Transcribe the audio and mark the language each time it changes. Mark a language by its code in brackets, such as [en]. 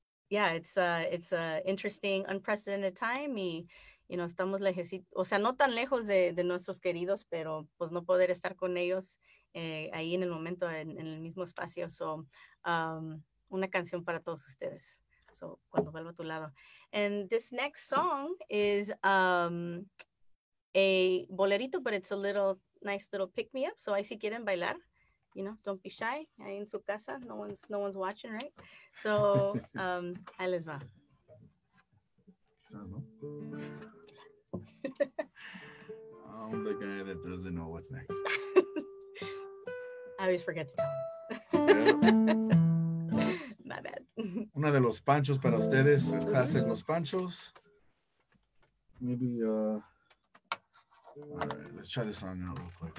[en] It's a interesting, unprecedented time. [es] Y, [en] you know, [es] estamos lejos, o sea, no tan lejos de nuestros queridos, pero pues no poder estar con ellos ahí en el momento, en el mismo espacio. So, una canción para todos ustedes. So, cuando vuelvo a tu lado. [en] And this next song is a bolerito, but it's a little, nice little pick-me-up. So, [es] ahí si quieren bailar, [en] you know, don't be shy. [es] Ahí en su casa, [en] no one's watching, right? [es] So, ahí les va. [en] I'm the guy that doesn't know what's next. I always forget to tell. Yeah. My bad. [es] Una de los panchos para ustedes, [en] a classic Los Panchos. Maybe, all right, let's try this song out real quick.